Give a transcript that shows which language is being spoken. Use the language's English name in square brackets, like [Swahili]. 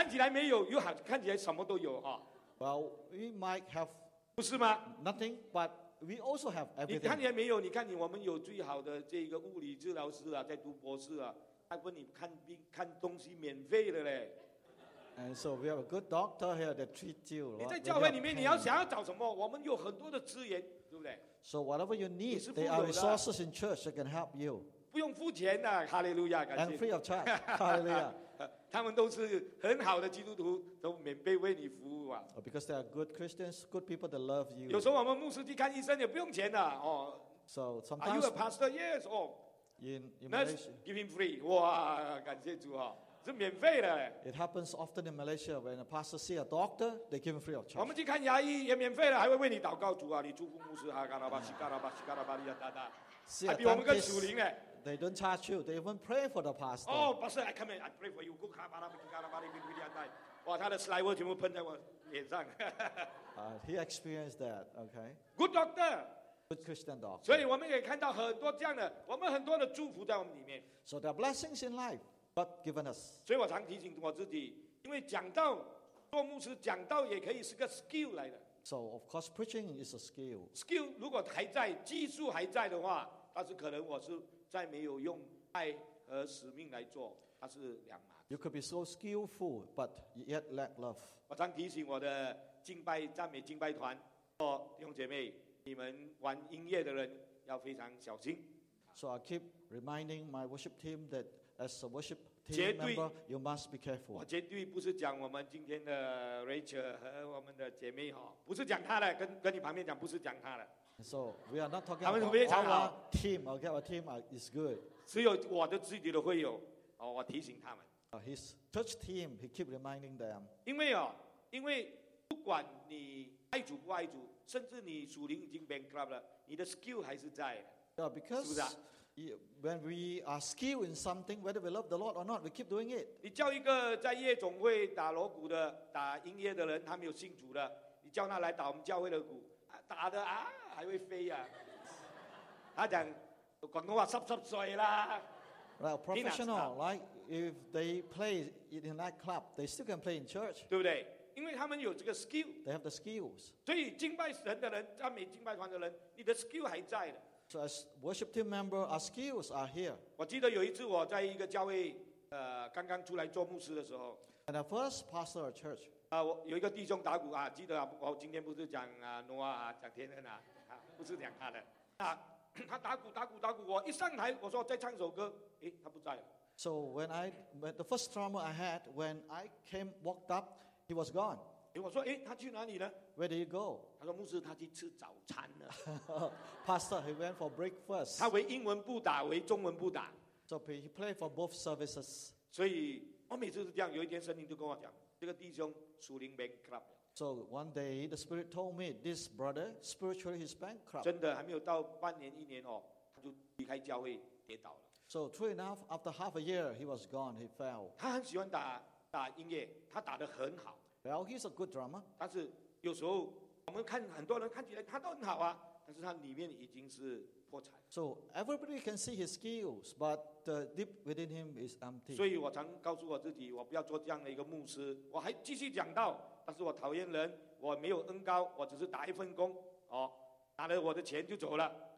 [Chinese] 看起来没有，又好，看起来什么都有啊。 [English] Well, we might have. [Chinese] 不是吗 [English] ？Nothing, but we also have everything. [Chinese] 你看起来没有，你看你，我们有最好的这个物理治疗师啊，在读博士啊，他问你看病看东西免费的嘞。 [English] And so we have a good doctor here that treats you. [Chinese] 你在教会里面，你要想要找什么？我们有很多的资源，对不对？ [English] So whatever you need, there are resources in church that can help you. [Chinese] 不用付钱的、啊、，Hallelujah！感谢。 [English] And free of charge, Hallelujah！ [Chinese] 他们都是很好的基督徒，都免费为你服务啊。 [English] Because they are good Christians, good people that love you. [Chinese] 有时候我们牧师去看医生也不用钱的、啊、哦。 [English] So sometimes. Are you a pastor? Yes. Oh. In Malaysia, nurse, give him free. [Chinese] 哇，感谢主啊、哦，是免费的。 [English] It happens often in Malaysia when a pastor see a doctor, they give him free of charge. [Chinese] 我们去看牙医也免费的，还会为你祷告主啊，你祝福牧师哈，嘎拉巴西，嘎拉巴西，嘎拉巴利亚达达，还比我们更属灵嘞。 [English] They don't charge you. They even pray for the pastor. Oh, pastor, I come in. I pray for you. Go, ha, ba, la, ba, ga, la, ba, li, bi, bi, li, an, dai. [Chinese] 哇，他的 saliva 全部喷在我脸上。 [English] He experienced that. Okay. Good doctor. Good Christian dog. [Chinese] 所以我们也看到很多这样的，我们很多的祝福在我们里面。 [English] So there are blessings in life, God given us. [Chinese] 所以我常提醒我自己，因为讲道做牧师讲道也可以是个 skill 来的。 [English] So of course preaching is a skill. [Chinese] Skill 如果还在，技术还在的话，但是可能我是再没有用爱和使命来做，它是两码。 [English] You could be so skillful, but yet lack love. [Chinese] 我常提醒我的敬拜赞美敬拜团，说弟兄姐妹。你们玩音乐的人要非常小心。 [English] So I keep reminding my worship team that as a worship team member, you must be careful. [Chinese] 我绝对不是讲我们今天的 Rachel 和我们的姐妹哈，不是讲她的，跟你旁边讲不是讲她的。 [English] So we are not talking about our team. Our team, okay, our team is good. [Chinese] 只有我的自己的会友，哦，我提醒他们。 [English] His church team, he keep reminding them. [Chinese] 因为不管你爱主不爱主。甚至你属灵已经 bankrupt 了，你的 skill 还是在的。 [English] Yeah, because [Chinese] 是不是、 [English] 啊、when we are skilled in something, whether we love the Lord or not, we keep doing it. [Chinese] 你叫一个在夜总会打锣鼓的、打音乐的人，他没有信主的，你你叫他来打我们教会的鼓，打的啊还会飞呀、啊。他讲广东话湿湿碎啦。 [English] Well, professional, like if they play in a nightclub, they still can play in church. [Chinese] 对不对？因为他们有这个 skill. [English] They have the skills. [Chinese] 所以敬拜神的人，赞美敬拜团的人，你的 skill 还在的。 [English] So as worship team member, our skills are here. [Chinese] 我记得有一次我在一个教会，刚刚出来做牧师的时候。 [English] And the first pastor of church. [Chinese] 我有一个弟兄打鼓啊，记得啊，我今天不是讲啊，诺亚啊，讲天恩啊，不是讲他的啊。他打鼓打鼓打鼓，我一上台我说再唱首歌，诶，他不在了。 [English] So when the first drummer I had, when I came, walked up, he was gone. [Chinese] 诶，我说诶，他去哪里呢？ [English] Where did he go? [Chinese] 他说牧师他去吃早餐了。 [English] Pastor, he went for breakfast. [Chinese] 他为英文不打，为中文不打。 [English] So he played for both services. [Chinese] 所以我每次是这样，有一天神灵就跟我讲，这个弟兄属灵 bankrupt。 [English] So one day, the Spirit told me, this brother, spiritually, he's bankrupt. [Chinese] 真的，还没有到半年、一年哦，他就离开教会，跌倒了。 [English] So true enough, after half a year, he was gone, he fell. [Chinese] 他很喜欢打音乐，他打得很好。 [English] Well, he's a good drummer. [Chinese] 但是有时候，我们看很多人看起来他都很好啊，但是他里面已经是破产。 [English] So everybody can see his skills, but the deep within him is empty. [Chinese] 所以我常告诉我自己，我不要做这样的一个牧师，我还继续讲道。但是我讨厌人，我没有恩高，我只是打一份工，哦，拿了我的钱就走了。